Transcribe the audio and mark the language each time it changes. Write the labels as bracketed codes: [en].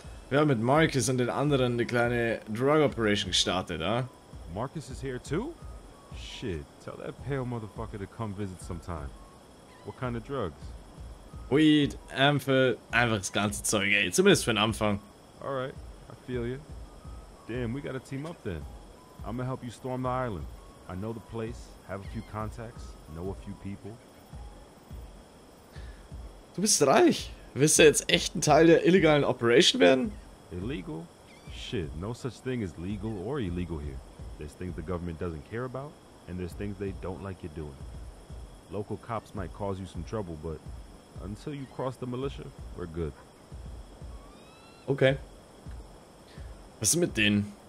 [de] Wir haben mit Marcus und den anderen eine kleine Drug Operation gestartet, huh? [en] Marcus is here too? Shit, tell that pale motherfucker to come visit sometime. What kind of drugs? [de] Weed, Amphet, einfach das ganze Zeug, ey. Zumindest für den Anfang. [en] Alright, I feel you. Damn, we gotta team up then. I'm gonna help you storm the island. I know the place, have a few contacts, know a few people. [de] Du bist reich. Willst du jetzt echt ein Teil der illegalen Operation werden? [en] Illegal? Shit, no such thing as legal or illegal here. There's things the government doesn't care about, and there's things they don't like you doing. Local cops might cause you some trouble, but until you cross the militia, we're good. [de] Okay. Was ist mit denen?